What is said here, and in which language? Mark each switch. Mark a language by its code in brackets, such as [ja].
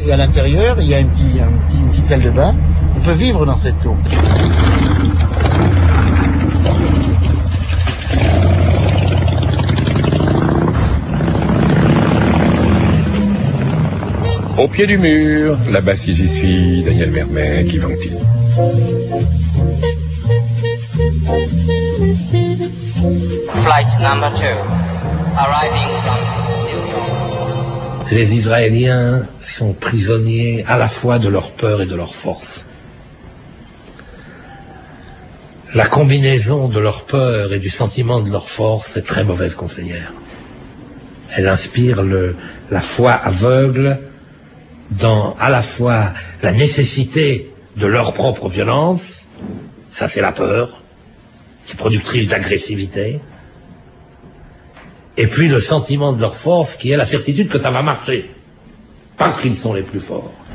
[fr] Et à l'intérieur, il y a une petite salle de bain. On peut vivre dans cette tour. Au pied du mur, là-bas si j'y suis, Daniel Mermet, qui ventille. [en] Flight number 2, arriving from New York. [fr] Les Israéliens sont prisonniers à la fois de leur peur et de leur force. La combinaison de leur peur et du sentiment de leur force est très mauvaise conseillère. Elle inspire la foi aveugle dans à la fois la nécessité de leur propre violence, ça c'est la peur, qui est productrice d'agressivité, et puis le sentiment de leur force qui est la certitude que ça va marcher, parce qu'ils sont les plus forts.